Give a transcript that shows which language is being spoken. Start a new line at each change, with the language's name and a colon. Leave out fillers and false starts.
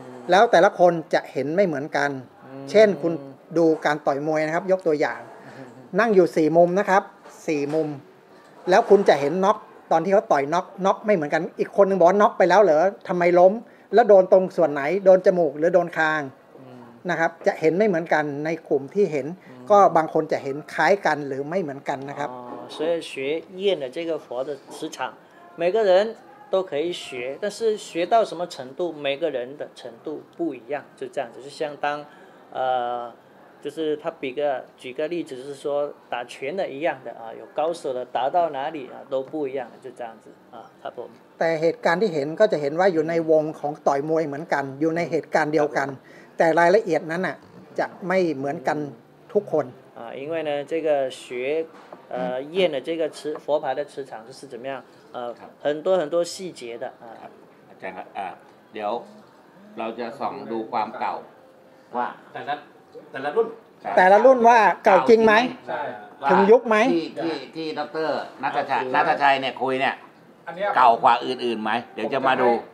Thai: แล้วแต่ละคนจะเห็นไม่เหมือนกันเช่นคุณดูการต่อยมวยนะครับยกตัวอย่างนั่งอยู่สี่มุมนะครับสี่มุมแล้วคุณจะเห็นน็อกตอนที่เขาต่อยน็อกน็อกไม่เหมือนกันอีกคนนึงบอกน็อกไปแล้วเหรอทำไมล้มแล้วโดนตรงส่วนไหนโดนจมูกหรือโดนคางนะครับจะเห็นไม่เหมือนกันในกลุ่มที่เห็นก็บางคนจะเห็นคล้ายกันหรือไม่เหมือนกันนะครับ
Chinese: อ๋อ所以学验的这个佛的磁场每个人都可以学但是学到什么程度每个人的程度不一样就这样子就相当就是他举个例子就是说打拳的一样的有高手的打到哪里都不一样就这样子
Thai: ครับผม แต่เหตุการณ์ที่เห็นก็จะเห็นว่าอยู่ในวงของต่อยมวยเหมือนกันอยู่ในเหตุการณ์เดียวกันแต่รายละเอียดนั้นน่ะจะไม่เหมือนกันทุกคน
Chinese: 因为呢这个学验的这个磁佛牌的磁场就是怎么样很多很多细节的
Thai: อาจารย์เดี๋ยวเราจะส่องดูความเก่าว่า แต่ละรุ่น แต่ละรุ่นว่าเก่าจริงไหมถึงยุคไหม ที่ดร. นัทชัยเนี่ยคุยเนี่ยเก่ากว่าอื่นๆไหมเดี๋ยวจะมาดู